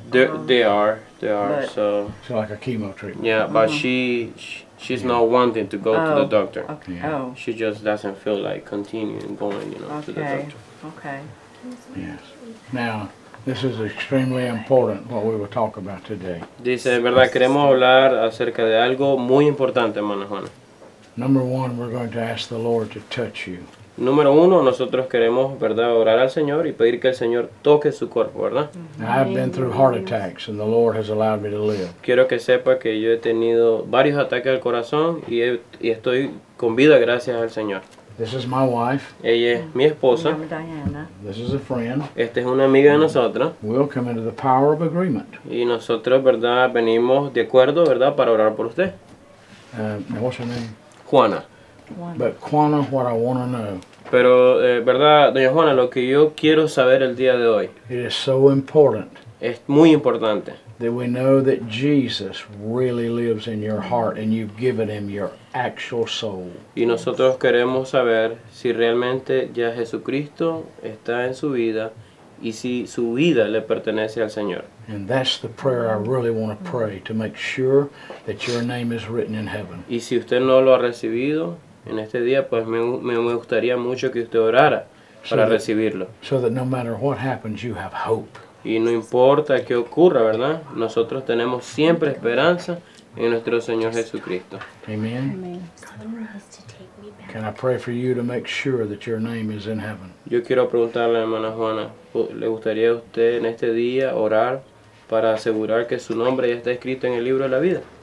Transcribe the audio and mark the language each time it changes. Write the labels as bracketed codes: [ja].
[en] They are. But, so. So like a chemo treatment. Yeah, but she's not wanting to go to the doctor. Okay. Yeah. Oh. She just doesn't feel like continuing going, you know, to the doctor. Okay. Yes. Now, this is extremely important what we will talk about today. [es] Dice, verdad, queremos hablar acerca de algo muy importante, hermana Juana. [en] Number one, we're going to ask the Lord to touch you. [es] Número uno, nosotros queremos, ¿verdad?, orar al Señor y pedir que el Señor toque su cuerpo, ¿verdad? [en] I have been through heart attacks and the Lord has allowed me to live. [es] Quiero que sepa que yo he tenido varios ataques al corazón y estoy con vida gracias al Señor. [en] This is my wife. [es] Ella es mi esposa. [en] I'm Diana. This is a friend. [es] Esta es una amiga de nosotros. [en] We'll come into the power of agreement. [es] Y nosotros, ¿verdad?, venimos de acuerdo, ¿verdad?, para orar por usted. [en] What's your name? Juana. But Quanita, what I want to know. [es] Pero verdad, doña Juana, lo que yo quiero saber el día de hoy. [en] It is so important. [es] Es muy importante. [en] That we know that Jesus really lives in your heart, and you've given him your actual soul. [es] Y nosotros queremos saber si realmente ya Jesucristo está en su vida, y si su vida le pertenece al Señor. [en] And that's the prayer I really want to pray to make sure that your name is written in heaven. [es] Y si usted no lo ha recibido en este día, pues me gustaría mucho que usted orara para recibirlo. So that no matter what happens, you have hope. Y no importa qué ocurra, ¿verdad? Nosotros tenemos siempre esperanza en nuestro Señor Jesucristo. Amen. [en] Can I pray for you to make sure that your name is in heaven? [es] Yo quiero preguntarle a hermana Juana, ¿le gustaría usted en este día orar para asegurar que su nombre ya está escrito en el libro de la vida?